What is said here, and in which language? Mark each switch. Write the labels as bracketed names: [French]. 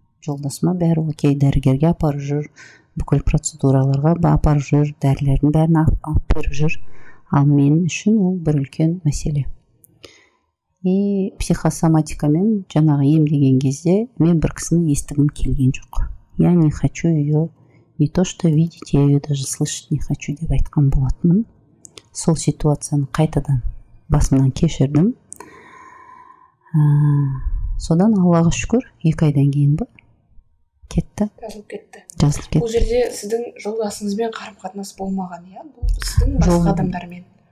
[Kazakh] Жолдасыма бәрі окей, дәрігерге апарып жүр, бүкіл процедураларға апарып жүр, дәрілердің бәрін алып беріп жүр. Ал мен үшін ол бір үлкен мәселе. И психосоматикамен жаңағы ем деген кезде мен бір кісіні естігім келген жоқ. [Russian] Я не хочу ее. Не то, что видеть, я ее даже слышать не хочу, [Kazakh] деп айтқан болатынмын. Сол ситуацияны қайтадан басымнан кешірдім. Содан Аллаға шүкір, екі айдан кейін ба? Кетті. Жазылып кетті. Жазылып кетті. Бұл жерде сіздің жолдасыңызбен қарым-қатынас болмаған, иә? Бұл сіздің басқа адамдармен.